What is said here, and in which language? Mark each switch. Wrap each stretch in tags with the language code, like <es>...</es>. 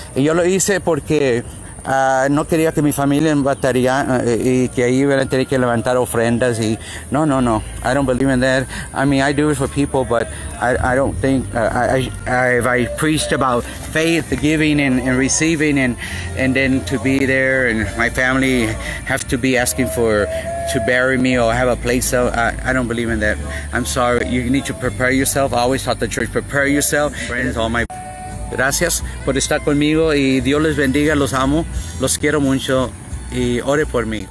<es>Y yo lo hice porque no quería que mi familia embataría y que ahí iban a tener que levantar ofrendas. Y no,</es> <en>I don't believe in that. I mean, I do it for people, but I don't think if I preached about faith, giving and receiving, and then to be there and my family have to be asking for to bury me or have a place, so I don't believe in that. I'm sorry, you need to prepare yourself. I always taught the church, prepare yourself. Friends, all my</en> <es>gracias por estar conmigo y Dios les bendiga, los amo, los quiero mucho y ore por mí.</es>